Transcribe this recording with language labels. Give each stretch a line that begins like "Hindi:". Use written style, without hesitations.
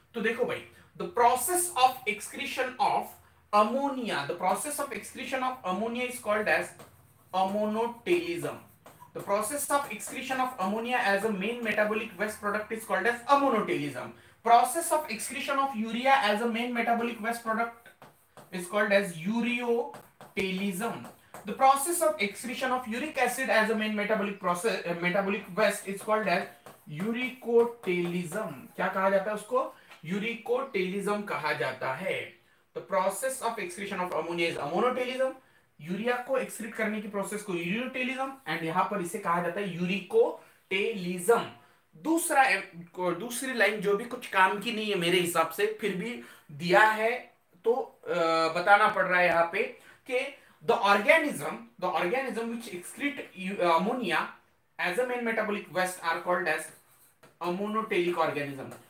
Hindi: तो देखो भाई,
English: The process of excretion of ammonia, the process of excretion of ammonia is called as ammonotelism. The process of excretion of ammonia as a main metabolic waste product is called as ammonotelism. Process of excretion of urea as a main metabolic waste product is called as ureotelism. The process of excretion of uric acid as a main metabolic process, metabolic waste is called as uricotelism.
Hindi: क्या कहा जाता है उसको? Uricotelism कहा जाता है।
English: The process of excretion of ammonia is ammonotelism.
Hindi: Urea को excrete करने की प्रोसेस को ureotelism, एंड यहां पर इसे कहा जाता है uricotelism. दूसरा, दूसरी लाइन जो भी कुछ काम की नहीं है मेरे हिसाब से, फिर भी दिया है तो बताना पड़ रहा है यहाँ पे कि
English: The organism which excrete ammonia as a main metabolic waste are called as ammonotelic organism.